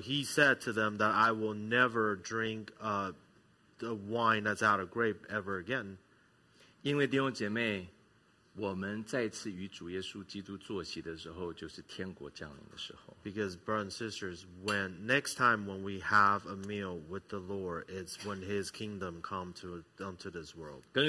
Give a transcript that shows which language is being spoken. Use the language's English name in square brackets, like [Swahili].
[English] he said to them that I will never drink the wine that's out of grape ever again. [Chinese] 因为弟兄姐妹, 我们再次与主耶稣基督坐席的时候，就是天国降临的时候。 [English] Because brothers and sisters, when next time when we have a meal with the Lord, it's when His kingdom comes onto this world.